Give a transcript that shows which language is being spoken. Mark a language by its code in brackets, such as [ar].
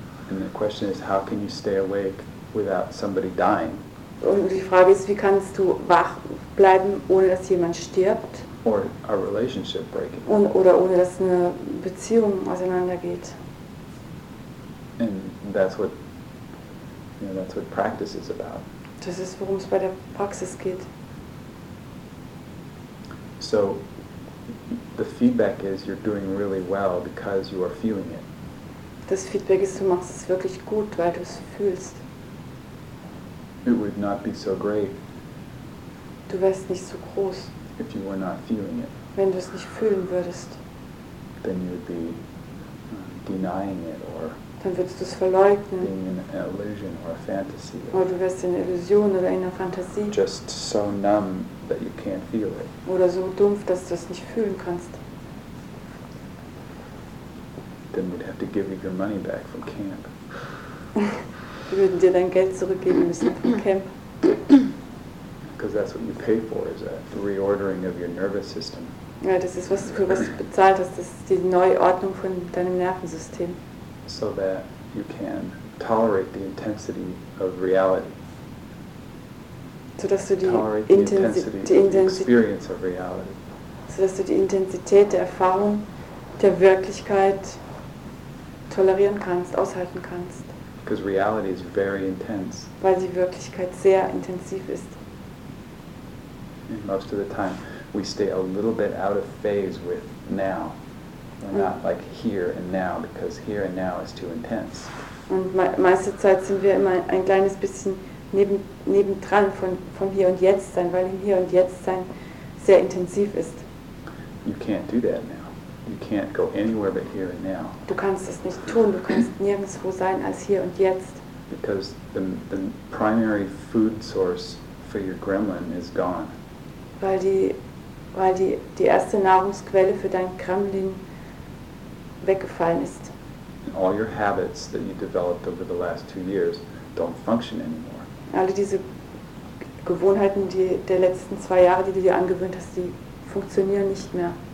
[en] And the question is, how can you stay awake without somebody dying? [de] Und die Frage ist, wie kannst du wach bleiben, ohne dass jemand stirbt? [en] Or a relationship breaking. [de] Oder ohne dass eine Beziehung auseinandergeht. [en] And that's what, you know, that's what practice is about. [de] Das ist, worum es bei der Praxis geht. [en] So, the feedback is, you're doing really well because you are feeling it. [de] Das Feedback ist, du machst es wirklich gut, weil du es fühlst. [en] It would not be so great. [de] Du wärst nicht so groß. [en] If you were not feeling it. [de] Wenn du es nicht fühlen würdest. [en] Then you'd be denying it or. [de] Dann würdest du es verleugnen. [en] Being in an illusion or a fantasy. [de] Oder du wärst in einer Illusion oder in einer Fantasie. [en] Just so numb that you can't feel it. [de] Oder so dumpf, dass du es nicht fühlen kannst. [en] Then we'd have to give you your money back from camp. [de] Wir würden dir dein Geld zurückgeben müssen vom Camp. [en] Because that's what you pay for, is a reordering of your nervous system. [de] Ja, das ist was du bezahlt hast. Das ist die Neuordnung von deinem Nervensystem. [en] So that you can tolerate the intensity of reality. [de] So dass du die [en] experience of reality. [de] So dass du die Intensität der Erfahrung der Wirklichkeit tolerieren kannst, aushalten kannst. [en] Because reality is very intense. [de] Weil die Wirklichkeit sehr intensiv ist. [en] And most of the time, we stay a little bit out of phase with now. We're not like here and now, because here and now is too intense. [de] Und meiste Zeit sind wir immer ein kleines bisschen nebendran von hier und jetzt sein, weil im hier und jetzt sein sehr intensiv ist. [en] You can't do that now. You can't go anywhere but here and now. [de] Du kannst es nicht tun, du kannst nirgendwo sein als hier und jetzt. [en] Because the primary food source for your gremlin is gone. [de] Weil die erste Nahrungsquelle für dein Gremlin weggefallen ist. [en] And all your habits that you developed over the last 2 years don't function anymore. [de] Alle diese Gewohnheiten, die der letzten zwei Jahre, die du dir angewöhnt hast, die funktionieren nicht mehr.